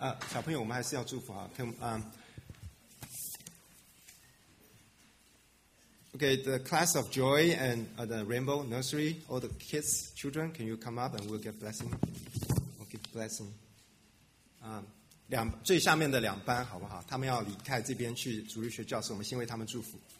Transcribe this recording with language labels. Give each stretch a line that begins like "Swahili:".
Chinese: 小朋友，我们还是要祝福啊。
English: Okay, the class of Joy and the Rainbow Nursery, all the kids, children, can you come up and we'll get blessing? Okay, blessing.
Chinese: 最下面的两班好不好？他们要离开这边去主日学教室，我们先为他们祝福。